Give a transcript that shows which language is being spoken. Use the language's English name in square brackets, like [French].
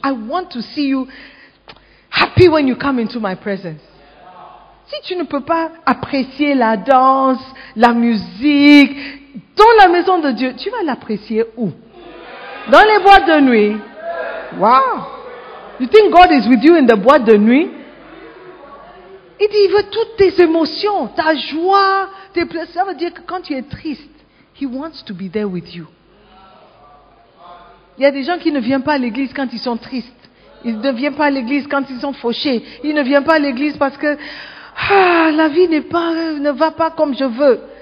[English] I want to see you happy when you come into my presence. [French] Si tu ne peux pas apprécier la danse, la musique, dans la maison de Dieu, tu vas l'apprécier où? Dans les boîtes de nuit. Wow! [English] You think God is with you in the [French] boîte de nuit? Il dit, il veut toutes tes émotions, ta joie, tes pleurs. Ça veut dire que quand tu es triste, [English] he wants to be there with you. [French] Il y a des gens qui ne viennent pas à l'église quand ils sont tristes. Ils ne viennent pas à l'église quand ils sont fauchés. Ils ne viennent pas à l'église parce que la vie ne va pas comme je veux.